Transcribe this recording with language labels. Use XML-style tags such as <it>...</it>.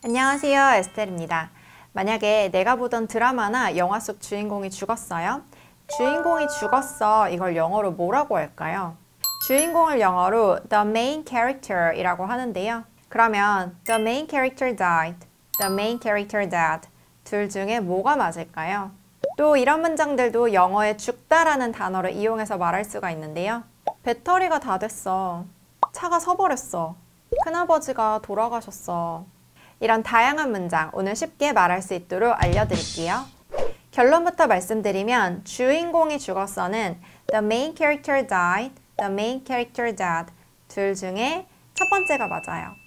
<ko>안녕하세요, 에스텔입니다. 만약에 내가 보던 드라마나 영화 속 주인공이 죽었어요? 주인공이 죽었어. 이걸 영어로 뭐라고 할까요? 주인공을 영어로 The Main Character 이라고 하는데요. 그러면</ko> <en>The Main Character Died, The Main Character Dead</en> <ko>둘 중에 뭐가 맞을까요? 또 이런 문장들도 영어에 죽다라는 단어를 이용해서 말할 수가 있는데요. 배터리가 다 됐어. 차가 서버렸어. 큰아버지가 돌아가셨어. 이런 다양한 문장 오늘 쉽게 말할 수 있도록 알려드릴게요. 결론부터 말씀드리면 주인공이 죽었어는</ko> <en>The main character died, the main character dead</en> <ko>둘 중에 첫 번째가 맞아요.</ko>